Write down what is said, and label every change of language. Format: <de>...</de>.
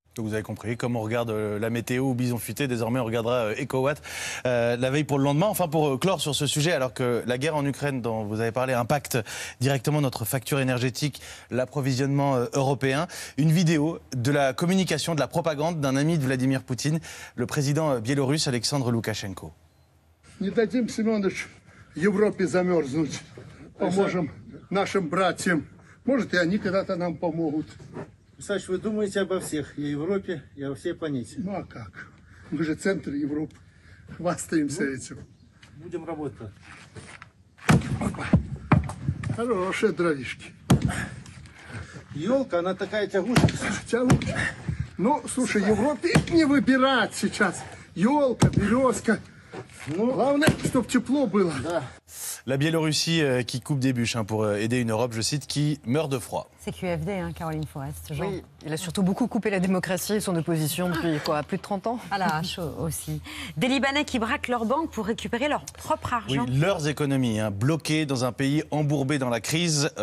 <fr>Vous avez compris, comme on regarde la météo ou bison futé, désormais on regardera EcoWatt la veille pour le lendemain. Enfin, pour clore sur ce sujet, alors que la guerre en Ukraine dont vous avez parlé impacte directement notre facture énergétique, l'approvisionnement européen, une vidéo de la communication, de la propagande d'un ami de Vladimir Poutine, le président biélorusse Alexandre Loukachenko.</fr> <ru>Не дадим, Семенович, Европе замерзнуть. Поможем нашим братьям. Может, и они когда-то нам помогут. Саш, вы думаете обо всех, и о Европе, и о всей планете. Ну а как? Мы же центр Европы. Хвастаемся этим. Будем работать. Опа. Хорошие дровишки. Ёлка, она такая тягучая. Тягучая. Ну, слушай, Европе не выбирать сейчас. Ёлка, березка. Ну, главное, чтобы тепло было. Да.</ru> <fr>La Biélorussie qui coupe des bûches pour aider une Europe, je cite, qui meurt de froid. C'est QFD, hein, Caroline Forest. Genre. Oui, il a surtout beaucoup coupé la démocratie et son opposition depuis quoi, plus de 30 ans. À la hache aussi. Des Libanais qui braquent leurs banques pour récupérer leur propre argent. Oui, leurs économies, hein, bloquées dans un pays embourbé dans la crise.</fr>